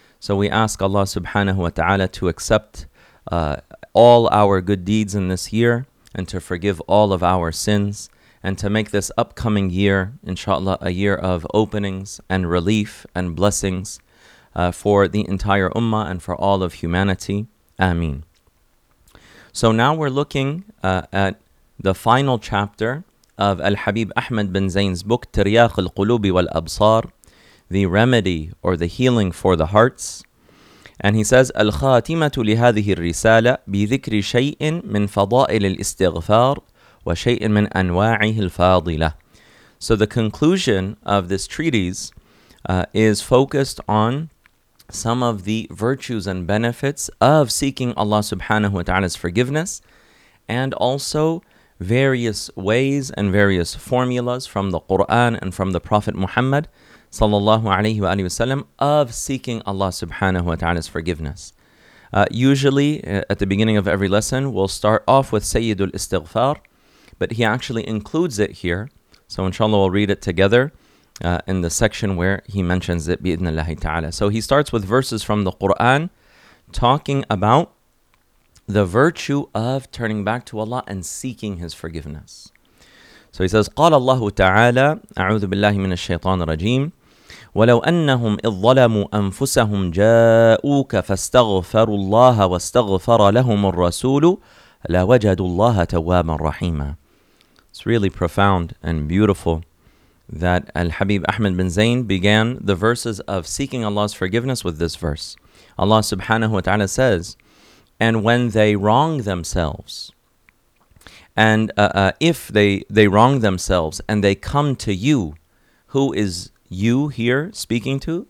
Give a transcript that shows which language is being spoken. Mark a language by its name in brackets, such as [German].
[English] So we ask Allah subhanahu wa ta'ala to accept all our good deeds in this year, and to forgive all of our sins, and to make this upcoming year, inshallah, a year of openings and relief and blessings for the entire ummah and for all of humanity. Ameen. So now we're looking at the final chapter of Al-Habib Ahmad bin Zain's book, Tiryaq al-Qulubi wal-Absar, The Remedy or the Healing for the Hearts. And he says, [Arabic] الخاتمة لهذه الرسالة بذكر شيء من فضائل الاستغفار وشيء من أنواعه الفاضلة. [English] So the conclusion of this treatise is focused on some of the virtues and benefits of seeking Allah subhanahu wa ta'ala's forgiveness, and also various ways and various formulas from the Quran and from the Prophet Muhammad sallallahu alayhi wa alayhi wa sallam, of seeking Allah subhanahu wa ta'ala's forgiveness. Usually, at the beginning of every lesson, we'll start off with Sayyidul Istighfar, but he actually includes it here. So inshallah, we'll read it together in the section where he mentions it, bi'idhnillahi ta'ala. So he starts with verses from the Qur'an, talking about the virtue of turning back to Allah and seeking His forgiveness. So he says, [Arabic] قال الله تعالى أعوذ بالله من الشيطان الرجيم ولو أنهم إذ ظلموا أنفسهم جاءوك فاستغفروا الله واستغفر لهم الرسول لوجدوا الله توابا رحيما. [English] It's really profound and beautiful that Al-Habib Ahmad bin Zain began the verses of seeking Allah's forgiveness with this verse. Allah subhanahu wa ta'ala says, and when they wrong themselves, and if they wrong themselves and they come to you, who is you here speaking to?